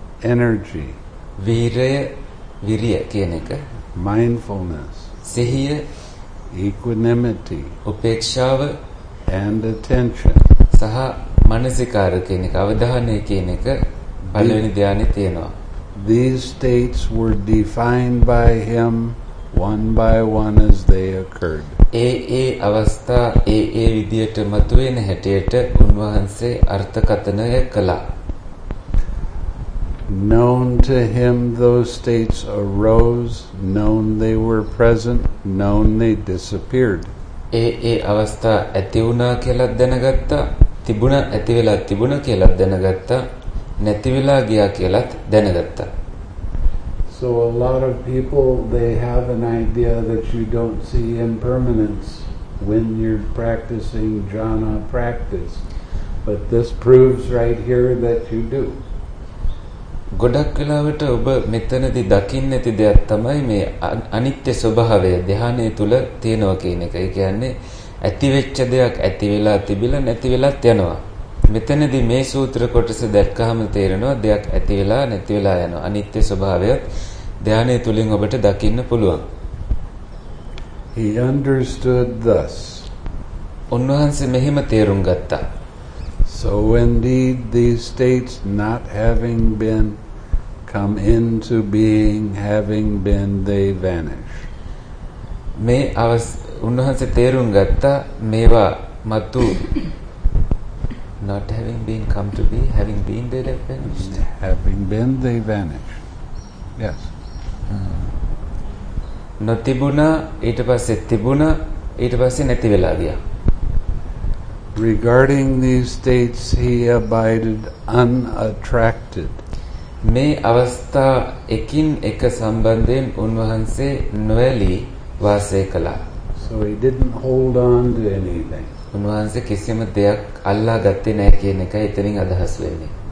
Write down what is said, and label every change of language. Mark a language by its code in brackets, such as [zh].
[en] energy [si] viraya viriya කියන එක [en] mindfulness [si] සිහිය [en] equanimity [si] උපේක්ෂාව [en] and attention [si] සහ මනසිකාර කියන එක අවධානය කියන එක පළවෙනි ධ්‍යානෙ තියෙනවා. [en] These states were defined by him one by one as they occurred. [si] ඒ අවස්ථා ඒ විදියට මතුවෙන හැටියට උන්වහන්සේ අර්ථකථනය කළා. [en] Known to him those states arose, known they were present, known they disappeared. [si] ඒ අවස්ථා ඇති වුණා කියලා දැනගත්තා, තිබුණ ඇති වෙලා තිබුණ කියලා දැනගත්තා, නැති වෙලා ගියා කියලාත් දැනගත්තා. [en] So a lot of people, they have an idea that you don't see impermanence when you're practicing jhana practice. But this proves right here that you do. [si] ගොඩක් වෙලාවට ඔබ මෙතනදී දකින්නේ නැති දෙයක් තමයි මේ අනිත්‍ය ස්වභාවය ධ්‍යානයේ තුල තියෙනවා කියන එක. ඒ කියන්නේ ඇතිවෙච්ච දෙයක් ඇති වෙලා තිබිලා නැති වෙලත් යනවා. මෙතනදී මේ සූත්‍ර කොටස දැක්කහම තේරෙනවා දෙයක් ඇති වෙලා නැති වෙලා යන අනිත්‍ය ස්වභාවය ධ්‍යානයේ තුලින් ඔබට දකින්න පුළුවන්. [en] He understood thus. [si] උන්වහන්සේ මෙහෙම තේරුම් ගත්තා. [en] So indeed these states not having been come into being, having been they vanish. [si] මේ අවස් උන්වහන්සේ තේරුම් ගත්තා මේවා මතු [en] not having been come to be, having been they vanished. Having been they vanish. Yes. [si] නොතිබුණා ඊට පස්සේ තිබුණා ඊට පස්සේ නැති වෙලා ගියා. [en] Regarding these states, he abided unattracted. [si] මේ අවස්ථා එකින් එක සම්බන්ධයෙන් උන්වහන්සේ නොවැළි වාසය කළා. [en] So he didn't hold on to anything. [si] උන්වහන්සේ කිසිම දෙයක් අල්ලා ගත්තේ නැහැ කියන එක එතනින් අදහස් වෙන්නේ.